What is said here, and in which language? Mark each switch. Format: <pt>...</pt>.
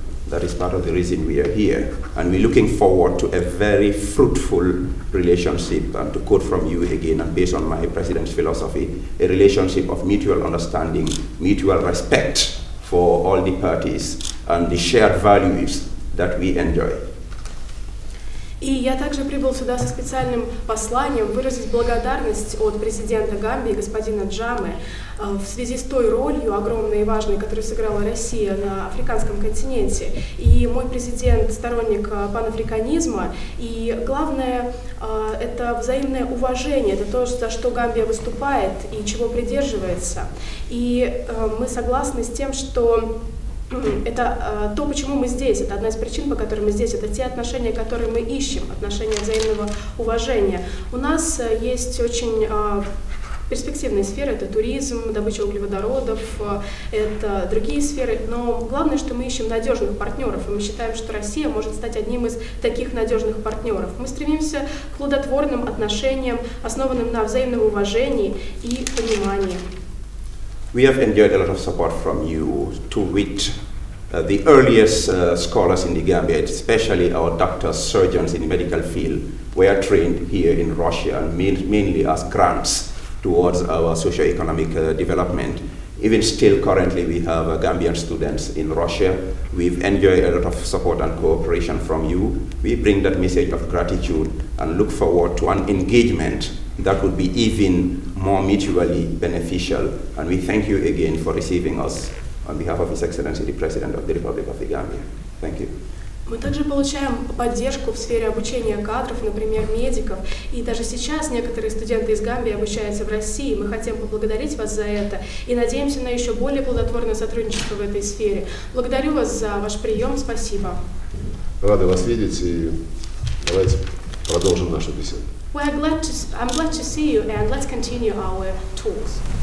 <en>That is part of the reason we are here. And we're looking forward to a very fruitful relationship, and to quote from you again, and based on my president's philosophy, a relationship of mutual understanding, mutual respect for all the parties, and the shared values that we enjoy.</en> <ru>И я также прибыл сюда со специальным посланием выразить благодарность от президента Гамбии, господина Джаме, в связи с той ролью огромной и важной, которую сыграла Россия на африканском континенте. И мой президент – сторонник панафриканизма, и главное – это взаимное уважение, это то, за что Гамбия выступает и чего придерживается. И мы согласны с тем, что это то, почему мы здесь, это одна из причин, по которой мы здесь, это те отношения, которые мы ищем, отношения взаимного уважения. У нас есть очень перспективные сферы, это туризм, добыча углеводородов, это другие сферы, но главное, что мы ищем надежных партнеров, и мы считаем, что Россия может стать одним из таких надежных партнеров. Мы стремимся к плодотворным отношениям, основанным на взаимном уважении и понимании.</ru> <en>We have enjoyed a lot of support from you, to wit, the earliest scholars in the Gambia, especially our doctors, surgeons in the medical field, were trained here in Russia, and mainly as grants towards our socio-economic development. Even still currently, we have Gambian students in Russia. We've enjoyed a lot of support and cooperation from you. We bring that message of gratitude and look forward to an engagement that would be even more mutually beneficial. And we thank you again for receiving us on behalf of His Excellency the President of the Republic of the Gambia. Thank you.</en> <ru>Мы также получаем поддержку в сфере обучения кадров, например, медиков. И даже сейчас некоторые студенты из Гамбии обучаются в России. Мы хотим поблагодарить вас за это и надеемся на еще более плодотворное сотрудничество в этой сфере. Благодарю вас за ваш прием. Спасибо. Рады вас видеть и давайте продолжим нашу беседу.</ru> <en>Well, I'm glad to see you and let's continue our talks.</en>